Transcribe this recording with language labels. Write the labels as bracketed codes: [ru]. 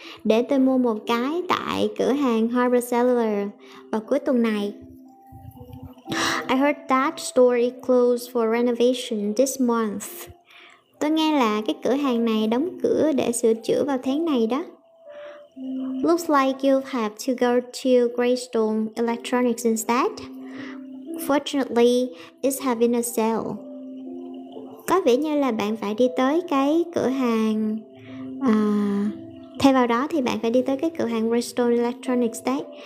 [vi] Để tôi mua một cái tại cửa hàng Harbor Cellular vào cuối tuần này. [en] I heard that store closed for renovation this month. [vi] Tôi nghe là cái cửa hàng này đóng cửa để sửa chữa vào tháng này đó. [en] Looks like you'll have to go to Greystone Electronics instead. Fortunately, it's having a sale. [vi] Có vẻ như là bạn phải đi tới cái cửa hàng thay vào đó thì bạn phải đi tới cái cửa hàng Greystone Electronics đấy.